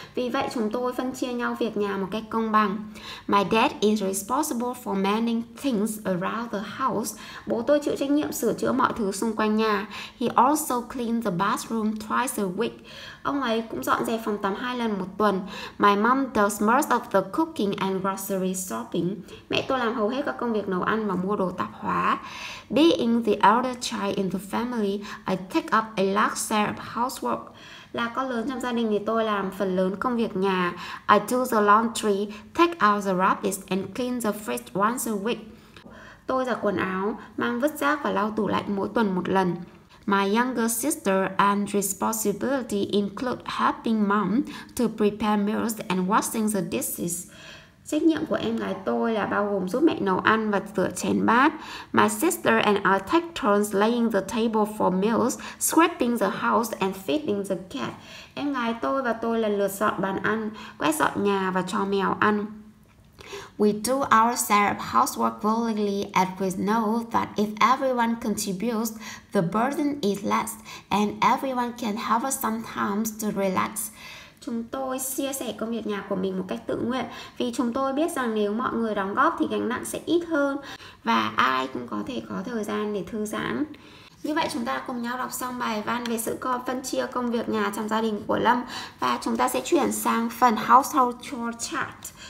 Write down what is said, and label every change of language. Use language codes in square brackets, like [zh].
[vi] Vì vậy chúng tôi phân chia nhau việc nhà một cách công bằng. [en] My dad is responsible for mending things around the house. [vi] Bố tôi chịu trách nhiệm sửa chữa mọi thứ xung quanh nhà. [en] He also cleans the bathroom twice a week. [vi] Ông ấy cũng dọn dẹp phòng tắm 2 lần một tuần. [en] My mom does most of the cooking and grocery shopping. [vi] Mẹ tôi làm hầu hết các công việc nấu ăn và mua đồ tạp hóa. [en] Being the elder child in the family, I take up a large share of housework. [vi] Là con lớn trong gia đình thì tôi làm phần lớn công việc nhà. [en] I do the laundry, take out the rubbish and clean the fridge once a week. [vi] Tôi giặt quần áo, mang vứt rác và lau tủ lạnh mỗi tuần một lần. [en] My younger sister and responsibility include helping mom to prepare meals and washing the dishes. [vi] Trách nhiệm của em gái tôi là bao gồm giúp mẹ nấu ăn và rửa chén bát. [en] My sister and I take turns laying the table for meals, sweeping the house and feeding the cat. [vi] Em gái tôi và tôi lần lượt dọn bàn ăn, quét dọn nhà và cho mèo ăn. [en] We do our share of housework willingly as we know that if everyone contributes, the burden is less and everyone can have some time to relax. [vi] Chúng tôi chia sẻ công việc nhà của mình một cách tự nguyện vì chúng tôi biết rằng nếu mọi người đóng góp thì gánh nặng sẽ ít hơn và ai cũng có thể có thời gian để thư giãn. Như vậy chúng ta cùng nhau đọc xong bài văn về sự phân chia công việc nhà trong gia đình của Lâm và chúng ta sẽ chuyển sang phần household chore chart.